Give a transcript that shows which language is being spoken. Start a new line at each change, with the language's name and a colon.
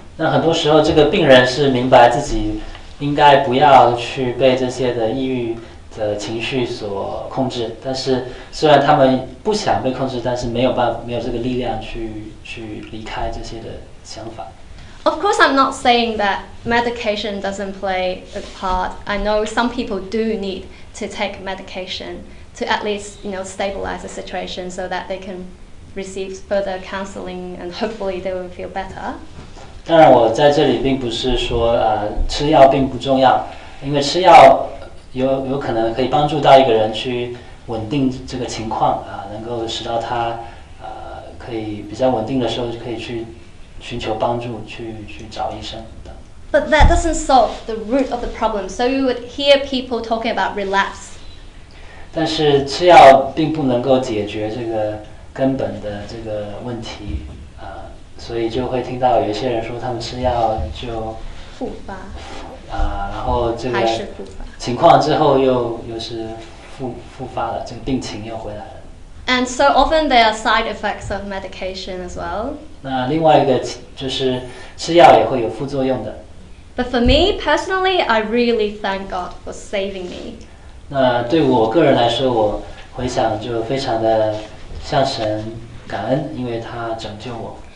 Chinese: 那很多时候，这个病人是明白自己应该不要去被这些的抑郁的情绪所控制。但是虽然他们不想被控制，但是没有办法，没有这个力量去离开这些的想法。
English: Of course, I'm not saying that medication doesn't play a part. I know some people do need to take medication to at least, stabilize the situation so that they can. Receives further counseling and hopefully they will feel better.
Chinese: 当然，我在这里并不是说吃药并不重要，因为吃药有可能可以帮助到一个人去稳定这个情况能够使到他可以比较稳定的时候就可以去寻求帮助，去找医生。
English: But that doesn't solve the root of the problem. So you would hear people talking about relapse.
Chinese: 但是吃药并不能够解决这个。根本的这个问题所以就会听到有些人说他们吃药就复发然后这个情况之后又是 复发了，这个病情又回来了。
English: And so often there are side effects of medication as well.
Chinese: 那另外一个就是吃药也会有副作用的。
English: But for me personally, I really thank God for saving me.
Chinese: 那对我个人来说，我回想就非常的向神感恩，因为他拯救我。